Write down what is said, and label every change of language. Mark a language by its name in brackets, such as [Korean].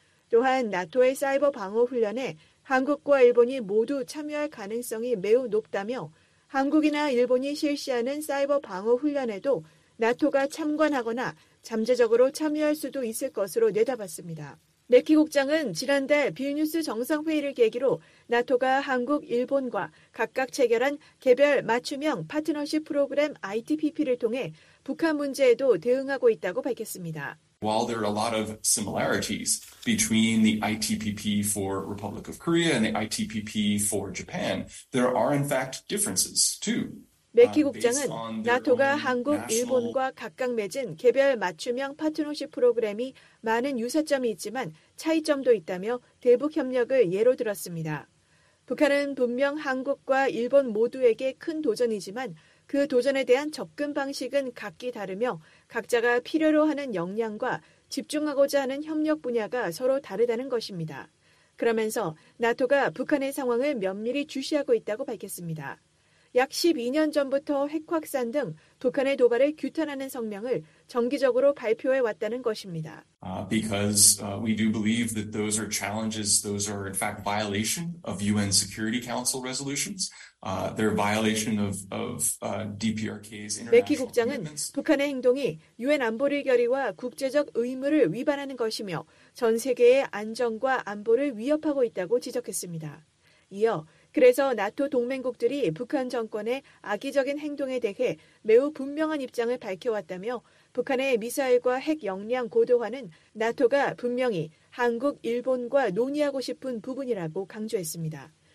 [Korean] 또한 나토의 사이버 방어 훈련에 한국과 일본이 모두 참여할 가능성이 매우 높다며 한국이나 일본이 실시하는 사이버 방어 훈련에도 나토가 참관하거나 잠재적으로 참여할 수도 있을 것으로 내다봤습니다. 매키 국장은 지난달 빌뉴스 정상회의를 계기로 나토가 한국, 일본과 각각 체결한 개별 맞춤형 파트너십 프로그램 ITPP를 통해 북한 문제에도 대응하고 있다고 밝혔습니다. [English] While there are a lot of similarities between the ITPP for Republic of Korea and the ITPP for Japan, there are in fact differences too. [Korean] 매키 국장은 나토가 한국, 일본과 각각 맺은 개별 맞춤형 파트너십 프로그램이 많은 유사점이 있지만 차이점도 있다며 대북 협력을 예로 들었습니다. 북한은 분명 한국과 일본 모두에게 큰 도전이지만 그 도전에 대한 접근 방식은 각기 다르며 각자가 필요로 하는 역량과 집중하고자 하는 협력 분야가 서로 다르다는 것입니다. 그러면서 나토가 북한의 상황을 면밀히 주시하고 있다고 밝혔습니다. 약 12년 전부터 핵확산 등 북한의 도발을 규탄하는 성명을 정기적으로 발표해 왔다는 것입니다. [English] Because we do believe that those are challenges, those are in fact violation of UN Security Council resolutions. They're violation of DPRK's international. [Korean] 매키 국장은 북한의 행동이 UN 안보리 결의와 국제적 의무를 위반하는 것이며 전 세계의 안전과 안보를 위협하고 있다고 지적했습니다. 이어 그래서 나토 동맹국들이 북한 정권의 악의적인 행동에 대해 매우 분명한 입장을 밝혀왔다며 북한의 미사일과 핵 역량 고도화는 나토가 분명히 한국, 일본과 논의하고 싶은 부분이라고 강조했습니다.